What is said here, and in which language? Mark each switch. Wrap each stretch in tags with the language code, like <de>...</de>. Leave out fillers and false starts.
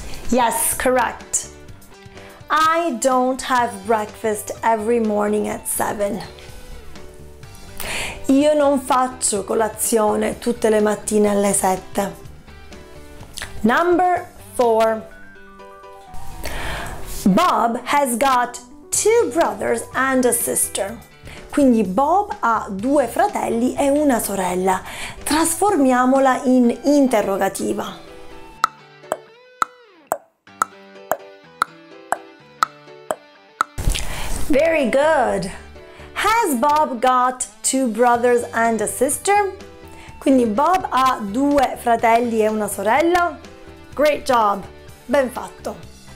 <en>Yes, correct. I don't have breakfast every morning at 7.</en> <it>Io non faccio colazione tutte le mattine alle 7.</it> <en>Number 4. Bob has got two brothers and a sister.</en> <it>Quindi Bob ha due fratelli e una sorella. Trasformiamola in interrogativa.</it> <en>Very good. Has Bob got two brothers and a sister?</en> <it>Quindi Bob ha due fratelli e una sorella.</it> <en>Great job.</en> <it>Ben fatto.</it>